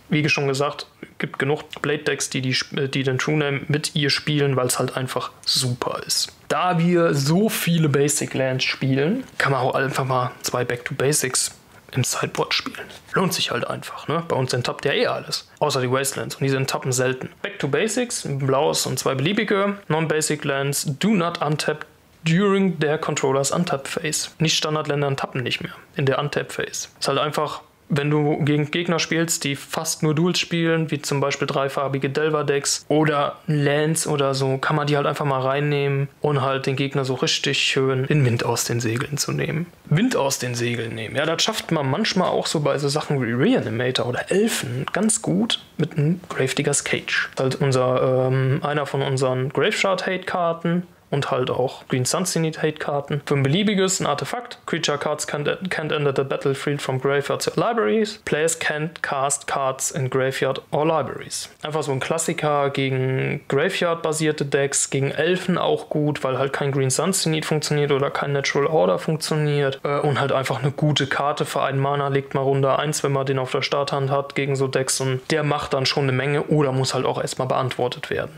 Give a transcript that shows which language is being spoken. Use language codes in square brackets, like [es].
[de] Wie schon gesagt, gibt genug Blade Decks, die den True Name mit ihr spielen, weil es halt einfach super ist. Da wir so viele Basic Lands spielen, kann man auch einfach mal 2 Back to Basics im Sideboard spielen. Lohnt sich halt einfach, ne? Bei uns enttappt ja eh alles. Außer die Wastelands und die sind enttappen selten. [en] Back to Basics, [de] blaues und 2 beliebige [en] Non-Basic Lands, do not untap during their controller's untap phase. [de] Nicht-Standardländer enttappen nicht mehr in der untap phase. Ist halt einfach. Wenn du gegen Gegner spielst, die fast nur Duels spielen, wie zum Beispiel 3-farbige Delver-Decks oder Lands oder so, kann man die halt einfach mal reinnehmen und halt den Gegner so richtig schön den Wind aus den Segeln zu nehmen. Wind aus den Segeln nehmen. Ja, das schafft man manchmal auch so bei so Sachen wie Reanimator oder Elfen ganz gut mit einem Gravediggers Cage. Das ist halt einer von unseren Graveshard-Hate-Karten. Und halt auch Green Sun Zenith Hate Karten. Für ein beliebiges, ein Artefakt. [en] Creature Cards can't enter the battlefield from graveyards or libraries. Players can't cast cards in graveyard or libraries. [de] Einfach so ein Klassiker gegen Graveyard-basierte Decks, gegen Elfen auch gut, weil halt kein Green Sun Zenith funktioniert oder kein Natural Order funktioniert. Und halt einfach eine gute Karte für einen Mana, legt mal Runde 1, wenn man den auf der Starthand hat, gegen so Decks. Und der macht dann schon eine Menge oder muss halt auch erstmal beantwortet werden.